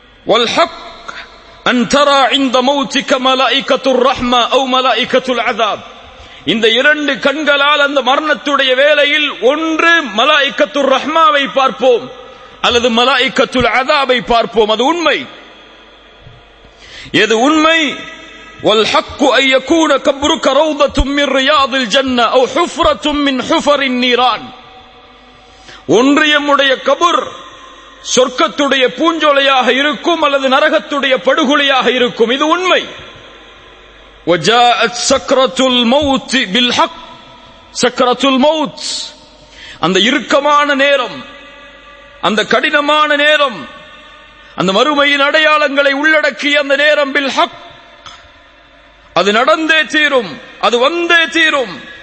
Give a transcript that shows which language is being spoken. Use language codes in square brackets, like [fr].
[ar] والحق ان ترى عند موتك ملائكه الرحمه او ملائكه العذاب. [ta] இந்த இரண்டு கண்களால் அந்த மரணத்துடைய வேளையில் ஒன்று மலாயிக்கத்துர் ரஹ்மாவை பார்ப்போம் அல்லது மலாயிக்கத்துல் அஸாபை பார்ப்போம். அது உண்மை, எது உண்மை? [ar] والحق ان يكون قبرك روضه من رياض الجنه او حفره من حفر النيران. [ta] ஒன்று எம்முடைய கபர் சொர்க்கத்துடைய பூஞ்சோலையாக இருக்கும் அல்லது நரகத்துடைய படுகொலையாக இருக்கும். இது உண்மை. [ar] வஜாஅத் சக்ரதுல் மௌத் பில் ஹக் [ta] சக்ரதுல் மௌத், அந்த இறுக்கமான நேரம், அந்த கடினமான நேரம், அந்த மறுமையின் அடையாளங்களை உள்ளடக்கிய அந்த நேரம் பில் ஹக், அது நடந்தே தீரும், அது வந்தே தீரும்.